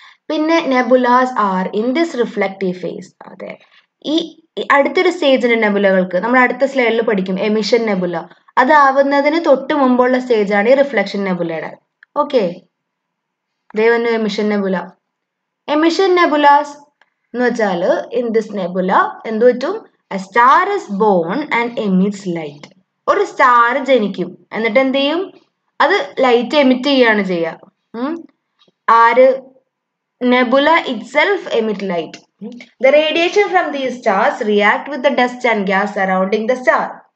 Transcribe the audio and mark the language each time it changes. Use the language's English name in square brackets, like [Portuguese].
[Malayalam] പിന്നെ [English] Nebulas are in this reflective phase. [Malayalam] അതെ, ഈ അടുത്തൊരു സ്റ്റേജിന്റെ നെബുലകൾക്ക് നമ്മൾ അടുത്ത സ്ലൈഡിൽ പഠിക്കും. എമിഷൻ നെബുല അതാവുന്നതിന് തൊട്ട് മുമ്പുള്ള സ്റ്റേജാണ് ഈ reflection നെബുലയുടെ. Okay, ദേവന്നു emission nebula. Emission നെബുലാസ് എന്ന് വെച്ചാല് [English] in this nebula [Malayalam] എന്ത് പറ്റും? [English] A star is born and emits light. [Malayalam] ഒരു സ്റ്റാർ ജനിക്കും, എന്നിട്ട് എന്ത് ചെയ്യും? അത് ലൈറ്റ് എമിറ്റ് ചെയ്യാണ് ചെയ്യുക. ആര്? [English] Nebula itself emit light. The radiation from the stars react with the dust and gas surrounding the star.